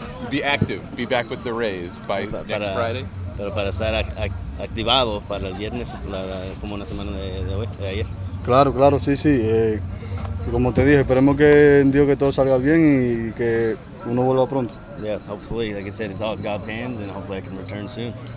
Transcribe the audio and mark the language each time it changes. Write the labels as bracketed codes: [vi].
[en] Be active, be back with the Rays by next Friday. [es] Pero para estar activado para el viernes, como una semana de ayer. Claro, sí. Como te dije, esperemos que en Dios que todo salga bien y que uno vuelva pronto. [en] Yeah, hopefully, like I said, it's all in God's hands and hopefully I can return soon.